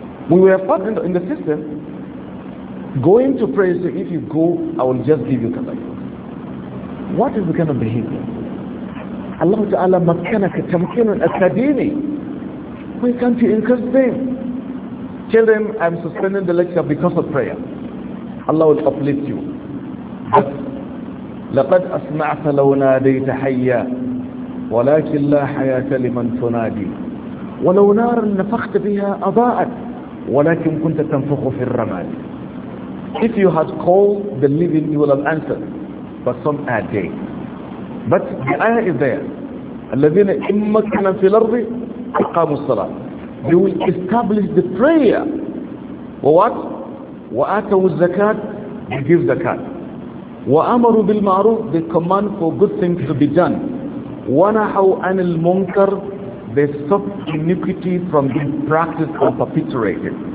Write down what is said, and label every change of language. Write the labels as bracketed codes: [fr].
[en] We were part in the system. Going to pray, say, if you go, I will just give you carry over. What is the kind of behavior? Allah Ta'ala [ar] makkanaka tamkinan akademi. [en] Why can't you encourage them? Tell them, I'm suspending the lecture because of prayer. Allah will uplift you. [ar] لقد أسمعت لو ناديت حيا ولكن لا حياة لمن تنادي ولو نار نفخت بها أضاءت ولكن كنت تنفخ في الرماد. [en] If you had called the living, you will have answered. But some are dead. But the ayah is there. [ar] الذين إن مكنا في الأرض أقاموا الصلاة. [en] They will establish the prayer. What? [ar] وآتوا الزكاة. [en] They give zakat. [ar] وأمروا بالمعروف. [en] They command for good things to be done. [ar] ونحوا عن المنكر. [en] They stop iniquity from being practiced or perpetrated.